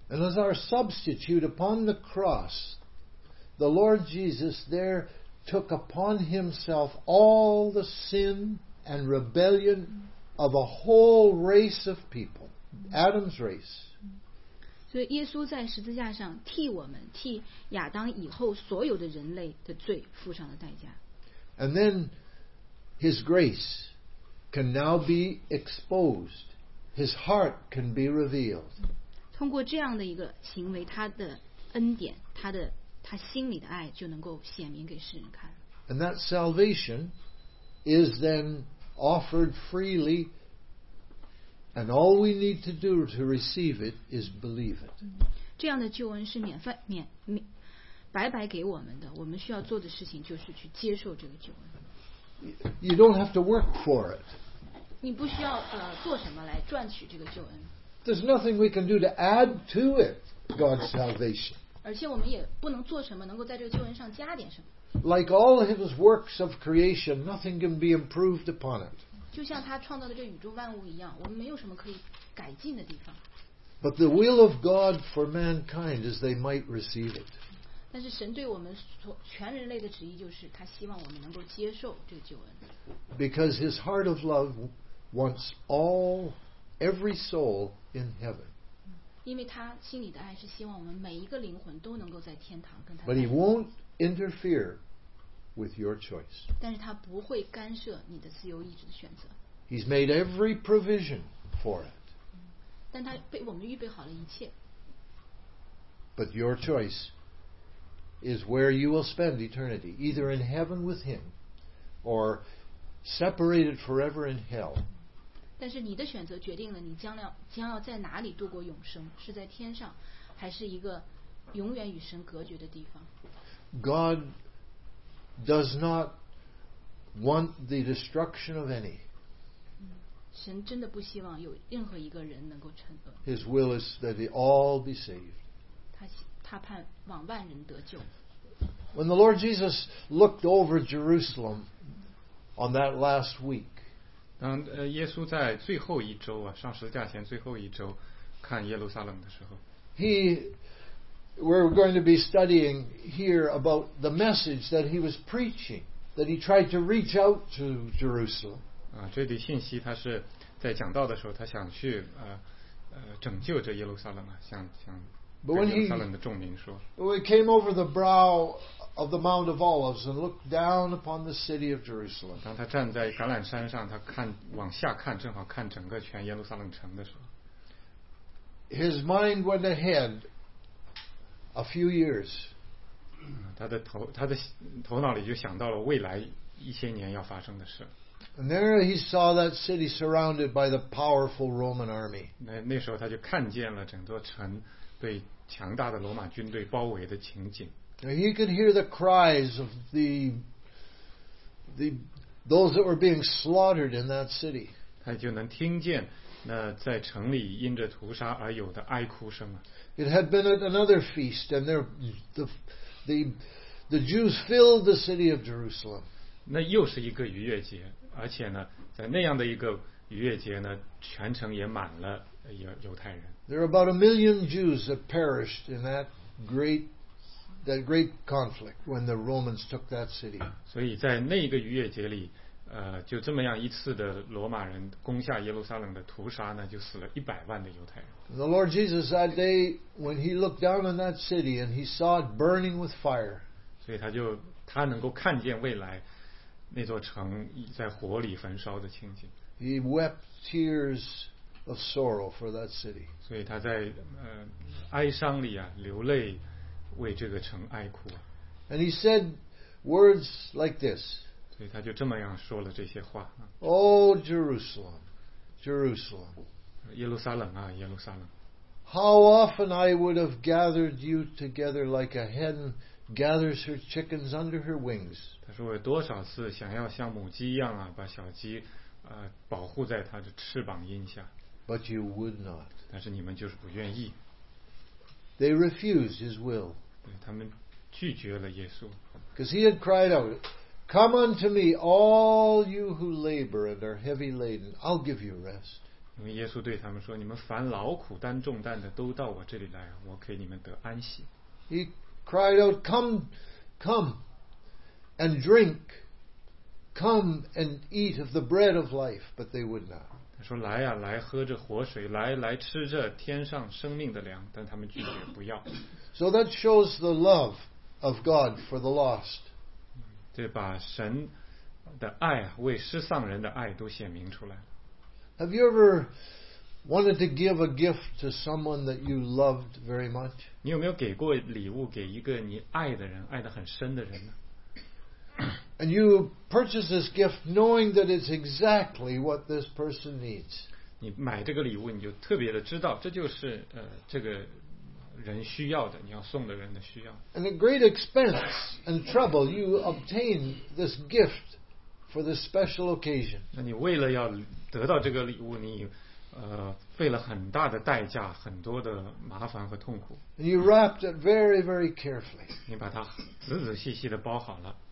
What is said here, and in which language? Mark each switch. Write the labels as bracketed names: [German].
[English] And as our substitute upon the cross, the Lord Jesus there took upon himself all the sin and rebellion of a whole race of people. Adam's race. [Chinese] 所以耶稣在十字架上替我们，替亚当以后所有的人类的罪付上了代价。 [English] And then his grace can now be exposed. His heart can be revealed. [Chinese] 通过这样的一个行为，他的恩典，他心里的爱就能够显明给世人看。 [English] And that salvation is then offered freely. And all we need to do to receive it is believe it. [Chinese] 这样的救恩是免费白白给我们的，我们需要做的事情就是去接受这个救恩。 [English] You don't have to work for it. [Chinese] 你不需要做什么来赚取这个救恩。 [English] There's nothing we can do to add to it, God's salvation. [Chinese] 而且我们也不能做什么能够在这个救恩上加点什么。 [English] Like all of his works of creation, nothing can be improved upon it. [Chinese] 就像他创造的这宇宙万物一样，我们没有什么可以改进的地方。 [English] But the will of God for mankind is they might receive it. [Chinese] 但是神对我们全人类的旨意就是，他希望我们能够接受这个救恩。 [English] Because His heart of love wants all every soul in heaven. [Chinese] 因为他心里的爱是希望我们每一个灵魂都能够在天堂跟他。 [English] But He won't interfere. With your choice. [Chinese] 但是他不会干涉你的自由意志的选择。 [English] He's made every provision for it. [Chinese] 但他被我们预备好了一切。 [English] But your choice is where you will spend eternity, either in heaven with him, or separated forever in hell. [Chinese] 但是你的选择决定了你将要在哪里度过永生，是在天上，还是一个永远与神隔绝的地方。 [English] God does not want the destruction of any. [Chinese] 神真的不希望有任何一个人能够沉沦。 [English] His will is that they all be saved. [Chinese] 他盼望万人得救。 [English] When the Lord Jesus looked over Jerusalem on that last week, [Chinese] 当耶稣在最后一周啊，上十字架前最后一周看耶路撒冷的时候， [English] We're going to be studying here about the message that he was preaching, that he tried to reach out to Jerusalem. [Chinese] 啊，这里信息他是在讲道的时候，他想去拯救这耶路撒冷啊，想跟耶路撒冷的众民说。 [English] But when he came over the brow of the Mount of Olives and looked down upon the city of Jerusalem. [Chinese] 当他站在橄榄山上，他看往下看，正好看整个全耶路撒冷城的时候。 [English] His mind went ahead a few years. [Chinese] 他的头脑里就想到了未来一些年要发生的事。 [English] And there he saw that city surrounded by the powerful Roman army. [Chinese] 那时候他就看见了整座城被强大的罗马军队包围的情景。 [English] Now he could hear the cries of the those that were being slaughtered in that city. [Chinese] 他就能听见那在城里因着屠杀而有的哀哭声啊。 [English] It had been at another feast, and the Jews filled the city of Jerusalem. [Chinese] 那又是一个逾越节，而且呢，在那样的一个逾越节呢，全城也满了犹太人。 [English] There were about 1 million Jews that perished in that great conflict when the Romans took that city. [Chinese] 所以在那个逾越节里，就这么样一次的罗马人攻下耶路撒冷的屠杀呢，就死了100万的犹太人。 [English] The Lord Jesus that day when he looked down on that city and he saw it burning with fire. [Chinese] 所以他能够看见未来那座城在火里焚烧的情景。 [English] He wept tears of sorrow for that city. [Chinese] 所以他在哀伤里啊，流泪为这个城哀哭。 [English] And he said words like this. [Chinese] 所以他就这么样说了这些话。 [English] Oh, Jerusalem, Jerusalem, [Chinese] 耶路撒冷啊，耶路撒冷。 [English] How often I would have gathered you together like a hen gathers her chickens under her wings. [Chinese] 他说我多少次想要像母鸡一样啊，把小鸡保护在他的翅膀荫下。 [English] But you would not. [Chinese] 但是你们就是不愿意。 [English] They refused his will. [Chinese] 对，他们拒绝了耶稣。 [English] Because he had cried out. Come unto me, all you who labor and are heavy laden. I'll give you rest. [Chinese] 因为耶稣对他们说，你们凡劳苦担重担的，都到我这里来，我给你们得安息。 [English] He cried out, "Come, come, and drink. Come and eat of the bread of life." But they would not. [Chinese] 他说，来呀，来喝这活水，来吃这天上生命的粮，但他们拒绝不要。 [English] So that shows the love of God for the lost. [Chinese] 对，把神的爱为失丧人的爱都显明出来。 [English] Have you ever wanted to give a gift to someone that you loved very much? [Chinese] 你有没有给过礼物给一个你爱的人，爱得很深的人呢？ [English] And you purchase this gift knowing that it's exactly what this person needs. [Chinese] 你买这个礼物，你就特别的知道，这就是这个。人需要的，你要送的人的需要。 [English] And at great expense and trouble, you obtain this gift for this special occasion. [Chinese] 那你为了要得到这个礼物，你费了很大的代价，很多的麻烦和痛苦。 [English] And you wrapped it very, very carefully. [Chinese] 你把它仔仔细细的包好了。